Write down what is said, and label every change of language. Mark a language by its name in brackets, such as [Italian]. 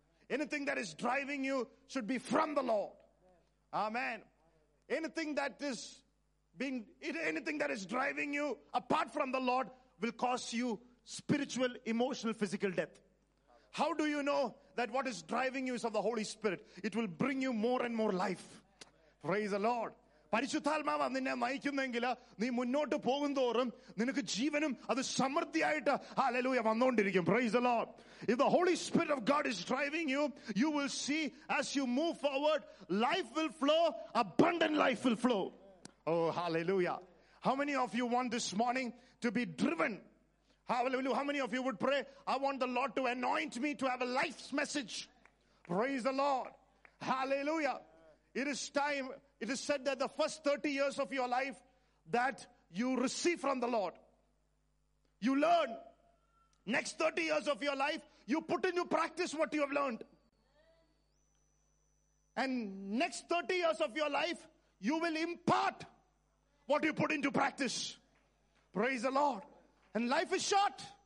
[English] Anything that is driving you should be from the Lord. Amen. Anything that is driving you apart from the Lord will cause you spiritual, emotional, physical death. How do you know that what is driving you is of the Holy Spirit? It will bring you more and more life. Praise the Lord. [Malayalam] പരിശുദ്ധാത്മാവ് നിന്നെ നയിക്കുന്നെങ്കിൽ നീ മുന്നോട്ട് പോകും തോറും നിനക്ക് ജീവനും അത് സമൃദ്ധിയായിട്ട് hallelujah വന്നുകൊണ്ടിരിക്കും. [English] Praise the Lord. If the Holy Spirit of God is driving you, you will see as you move forward, life will flow, abundant life will flow. Oh hallelujah. How many of you want this morning to be driven? Hallelujah. How many of you would pray, I want the Lord to anoint me to have a life message? Praise the Lord. Hallelujah. It is time. It is said that the first 30 years of your life that you receive from the Lord, you learn. Next 30 years of your life, you put into practice what you have learned. And next 30 years of your life, you will impart what you put into practice. Praise the Lord. And life is short.